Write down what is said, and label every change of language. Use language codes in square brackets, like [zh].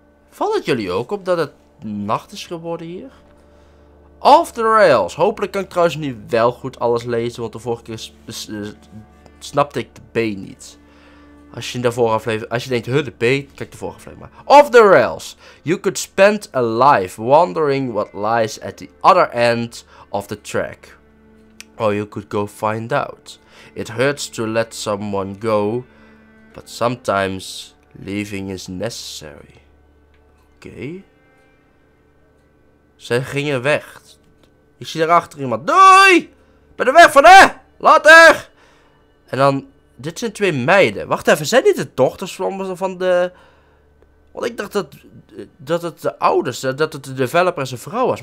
[nl] Valt het jullie ook op dat het nacht is geworden hier? Off the rails. Hopelijk kan ik trouwens nu wel goed alles lezen, want de vorige keer snapte ik de B niet. Als je in de vorige aflevering, als je denkt, de B, kijk de vorige aflevering maar. [en] Off the rails. You could spend a life wondering what lies at the other end of the track. Or you could go find out. It hurts to let someone go, but sometimes leaving is necessary. [nl] Oké. Okay. Ze gingen weg. Ik zie daarachter iemand. Doei! Ben er weg van, hè? Later! En dan, dit zijn twee meiden. Wacht even, zijn dit de dochters van de... Want ik dacht dat het de ouders, dat het de developer en zijn vrouw was.